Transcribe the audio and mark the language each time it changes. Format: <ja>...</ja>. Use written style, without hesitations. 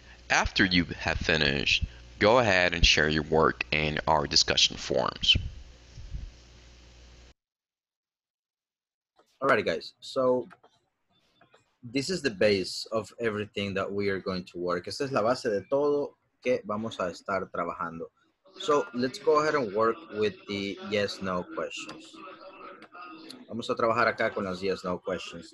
<en>After you have finished, go ahead and share your work in our discussion forums. Alrighty, guys. So this is the base of everything that we are going to work.</en> <es>Esta es la base de todo que vamos a estar trabajando.</es> <en>So let's go ahead and work with the yes, no questions.</en> <es>Vamos a trabajar acá con las yes, no questions.</es>